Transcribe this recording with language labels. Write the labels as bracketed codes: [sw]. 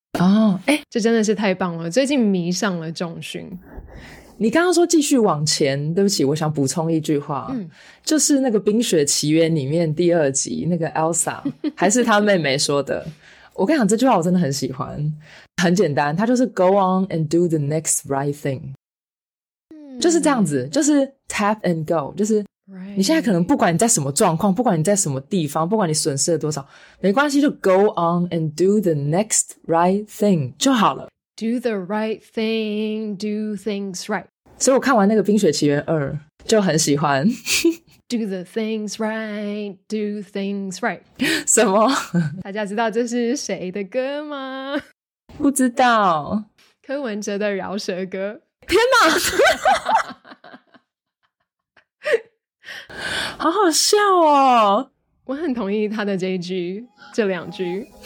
[zh] 哦，哎，这真的是太棒了！最近迷上了重训。你刚刚说继续往前，对不起，我想补充一句话，就是那个《冰雪奇缘》里面第二集那个 Elsa 还是她妹妹说的。我跟你讲这句话，我真的很喜欢。很简单，它就是 [en] Go on and do the next right thing， [zh] 就是这样子，就是 [en] tap and go， [zh] 就是。 [en] Right. [zh] 你现在可能不管你在什么状况，不管你在什么地方，不管你损失了多少，没关系，就 [en] go on and do the next right thing [zh] 就好了。 [en] Do the right thing, do things right. [zh] 所以我看完那个《冰雪奇缘二》就很喜欢。 [en] Do the things right, do things right. [zh] 什么？大家知道这是谁的歌吗？不知道。柯文哲的饶舌歌。天哪！好好笑哦，我很同意他的这一句，这两句。